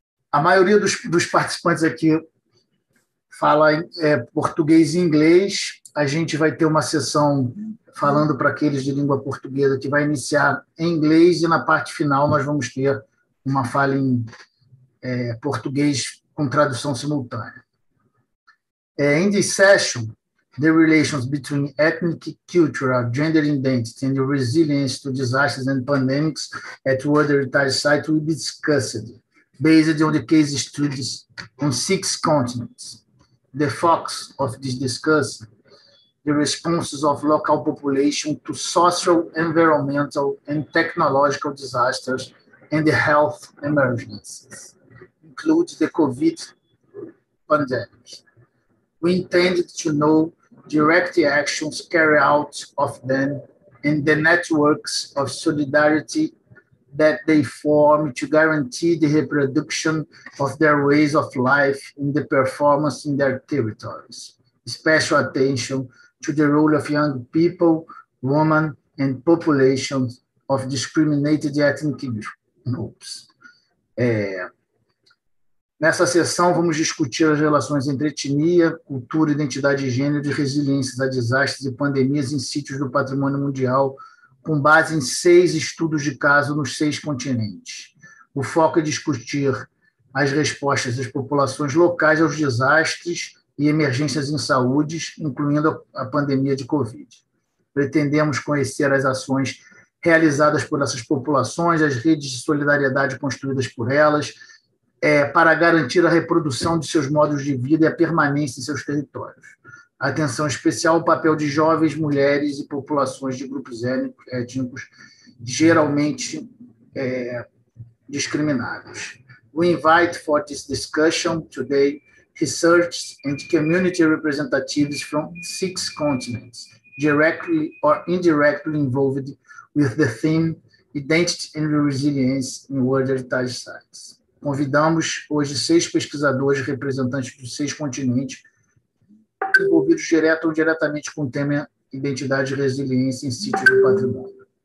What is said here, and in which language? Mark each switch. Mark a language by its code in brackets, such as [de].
[pt] A maioria dos participantes aqui fala português e inglês. A gente vai ter uma sessão falando para aqueles de língua portuguesa que vai iniciar em inglês, e na parte final nós vamos ter uma fala em português com tradução simultânea. [en] In this session, the relations between ethnic, cultural, gender identity and resilience to disasters and pandemics at World Heritage Sites will be discussed based on the case studies on 6 continents. The focus of this discussion, the responses of local population to social, environmental, and technological disasters and the health emergencies, includes the COVID pandemic. We intended to know direct actions carried out of them and the networks of solidarity that they form to guarantee the reproduction of their ways of life in the performance in their territories. Special attention to the role of young people, women, and populations of discriminated ethnic groups. [pt] Nessa sessão, vamos discutir as relações entre etnia, cultura, identidade de gênero e resiliências a desastres e pandemias em sítios do patrimônio mundial, com base em 6 estudos de caso nos 6 continentes. O foco é discutir as respostas das populações locais aos desastres e emergências em saúde, incluindo a pandemia de Covid. Pretendemos conhecer as ações realizadas por essas populações, as redes de solidariedade construídas por elas, para garantir a reprodução de seus modos de vida e a permanência em seus territórios. Atenção especial ao papel de jovens, mulheres e populações de grupos étnicos geralmente discriminados. [en] We invite for this discussion today research and community representatives from 6 continents, directly or indirectly involved with the theme Identity and Resilience in World Heritage Sites. [pt] Convidamos hoje 6 pesquisadores representantes de 6 continentes envolvidos direto ou diretamente com o tema Identidade e Resiliência em Sítios do Patrimônio.